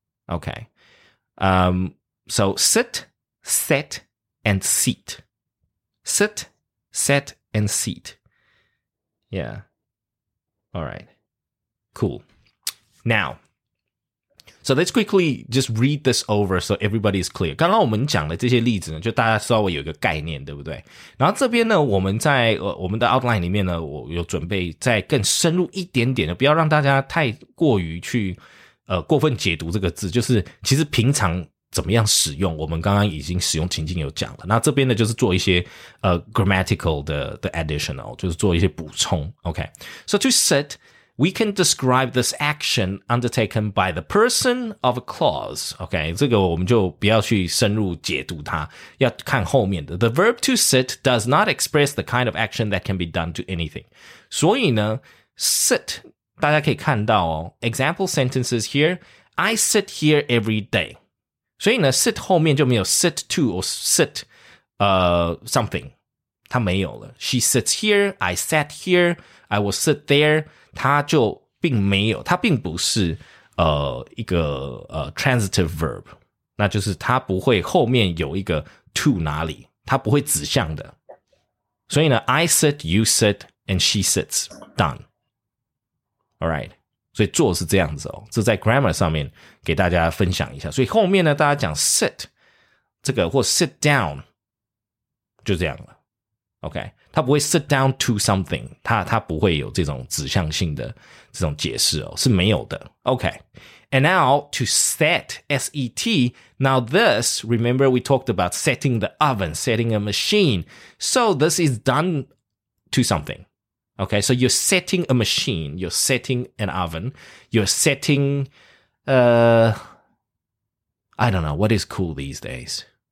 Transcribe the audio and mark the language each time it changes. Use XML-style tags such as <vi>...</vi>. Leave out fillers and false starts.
<en>Okay. So sit, set. And seat. Sit, set, and seat. Yeah. All right. Cool. Now, so let's quickly just read this over so everybody is clear.</en> <zh>刚刚我们讲的这些例子呢，就大家稍微有一个概念，对不对？然后这边呢，我们在我们的 outline 里面呢，我有准备再更深入一点点的，不要让大家太过于去过分解读这个字，就是其实平常怎么样使用？我们刚刚已经使用情境有讲了。那这边呢，就是做一些grammatical 的 additional， 就是做一些补充。</zh> <en>Okay, so to sit, we can describe this action undertaken by the person of a clause. Okay,</en> <zh>这个我们就不要去深入解读它，要看后面的。</zh> <en>The verb to sit does not express the kind of action that can be done to anything.</en> <zh>所以呢 ，sit 大家可以看到哦 ，</zh> <en>example sentences here. I sit here every day.</en> <zh>所以呢 sit 后面就没有 sit to or sit something 它没有了</zh> <en>She sits here, I sat here, I will sit there</en> <zh>它就并没有它并不是一个transitive verb 那就是它不会后面有一个 to 哪里它不会指向的所以呢</zh> <en>I sit, you sit, and she sits</en> <zh>Done Alright所以做是这样子哦，这在 grammar 上面给大家分享一下。所以后面呢，大家讲 sit 这个或 sit down 就这样了。 OK， 它不会</zh> <en>sit down to something，</en> <zh>它不会有这种指向性的这种解释哦，是没有的。</zh> <en>OK， and now to set S E T. Now this remember we talked about setting the oven, setting a machine. So this is done to something. Okay, so you're setting a machine, you're setting an oven, you're setting, I don't know, what is cool these days?</en>